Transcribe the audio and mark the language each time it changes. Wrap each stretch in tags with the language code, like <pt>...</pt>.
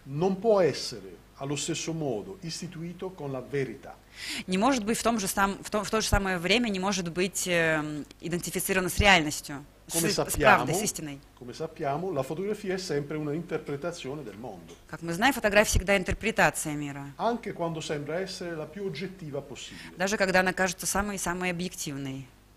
<it>non può essere allo stesso modo istituito con la verità.</it> <ru>Не может быть в то же самое время не может быть идентифицировано с реальностью.</ru> <it>Come sappiamo, la fotografia è sempre una interpretazione del mondo.</it> <ru>Как мы знаем, фотография всегда интерпретация мира.</ru> <it>Anche quando sembra essere la più oggettiva possibile.</it> <ru>Даже когда она кажется самой объективной.</ru>